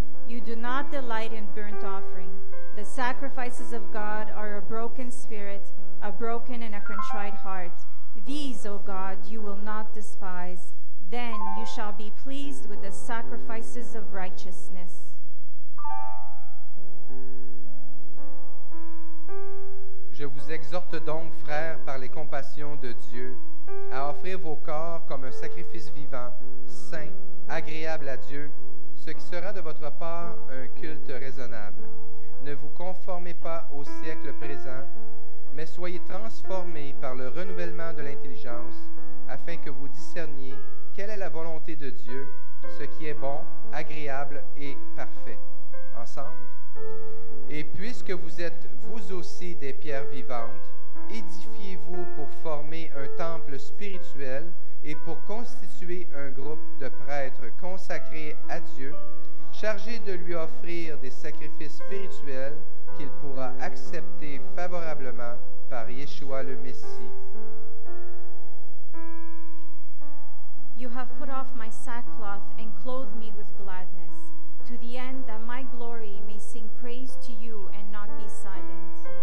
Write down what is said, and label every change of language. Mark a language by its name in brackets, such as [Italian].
[English] You do not delight in burnt offering. The sacrifices of God are a broken spirit, a broken and a contrite heart. These, O God, you will not despise. Then you shall be pleased with the sacrifices of righteousness. [French] Je vous exhorte donc, frères, par les compassions de Dieu, à offrir vos corps comme un sacrifice vivant, saint, agréable à Dieu, ce qui sera de votre part un culte raisonnable. Ne vous conformez pas au siècle présent, mais soyez transformés par le renouvellement de l'intelligence, afin que vous discerniez quelle est la volonté de Dieu, ce qui est bon, agréable et parfait. Ensemble. Et puisque vous êtes vous aussi des pierres vivantes, édifiez-vous pour former un temple spirituel et pour constituer un groupe de prêtres consacrés à Dieu, chargés de lui offrir des sacrifices spirituels qu'il pourra accepter favorablement par Yeshua le Messie. [English] You have put off my sackcloth and clothed me with gladness, to the end that my glory may sing praise to you and not be silent.